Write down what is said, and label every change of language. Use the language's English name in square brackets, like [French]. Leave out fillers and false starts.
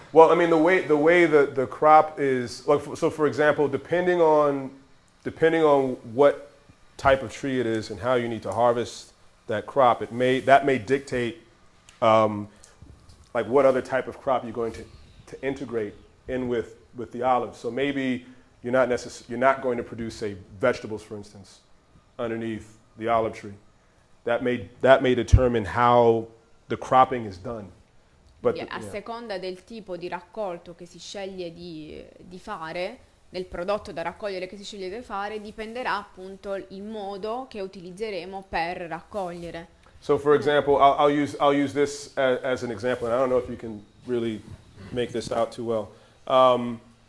[English] Well, I mean, the way the crop is, like, so for example, depending on what type of tree it is and how you need to harvest that crop, it may dictate what other type of crop you're going to integrate in with the olive. So maybe you're not going to produce, say, vegetables, for instance, underneath the olive tree. That may determine how the cropping is done. [Italian] Seconda del tipo di raccolto che si sceglie di fare, del prodotto da raccogliere che si sceglie di fare, dipenderà appunto il modo che utilizzeremo per raccogliere. [English] So for example, I'll use this as an example, and I don't know if you can really make this out too well.